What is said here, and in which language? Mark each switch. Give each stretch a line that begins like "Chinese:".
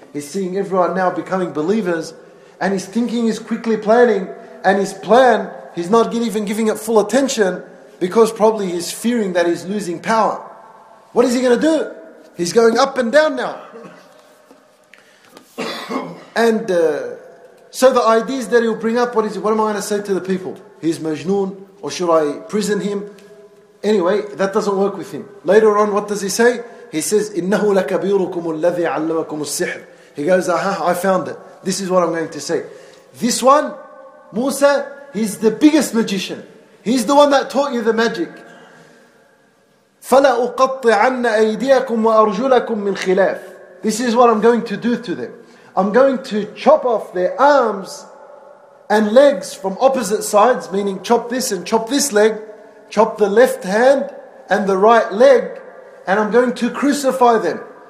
English: He's seeing everyone now becoming believers, and he's thinking, he's quickly planning, and his plan, he's not even giving it full attention because probably he's fearing that he's losing power. What is he going to do? He's going up and down now. And so the ideas that he'll bring up, what is it? What am I going to say to the people? He's Majnoon. or should I prison him? Anyway, that doesn't work with him. Later on, what does he say? He says,
Arabic: إِنَّهُ لَكَبِيرُكُمُ الَّذِي عَلَّمَكُمُ السِّحْرِ.
English: He goes, aha, I found it. This is what I'm going to say. This one, Musa, he's the biggest magician. He's the one that taught you the magic.
Arabic: فَلَأُقَطِّعَنَّ أَيْدِيَكُمْ وَأَرْجُلَكُمْ مِنْ خِلَافٍ.
English: This is what I'm going to do to them. I'm going to chop off their arms and legs from opposite sides, meaning chop this and chop this leg, chop the left hand and the right leg, and I'm going to crucify them.